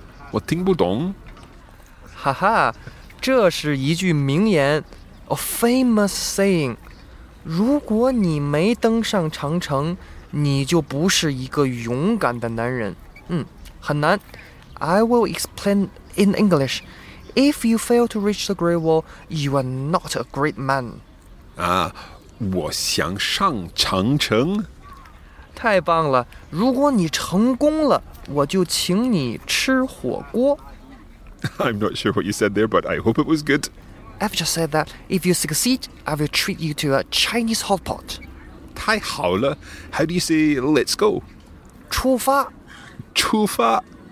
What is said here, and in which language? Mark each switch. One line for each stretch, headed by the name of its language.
Chinese: 长城太长了,我太累了。加油,不到长城非好汉。你说什么?我听不懂。哈哈。这是一句名言,
English: a famous saying.
Chinese: 如果你没登上长城, 你就不是一个勇敢的男人。很难。
English: I will explain in English. If you fail to reach the Great Wall, you are not a great man.
Chinese: 我想上长城。太棒了,如果你成功了,我就请你吃火锅。
English: I'm not sure what you said there, but I hope it was good. I've just said that if you succeed, I will treat you to a Chinese hot pot.
Chinese: 太好了,
English: how do you say let's go?
Chinese: 出发。出发。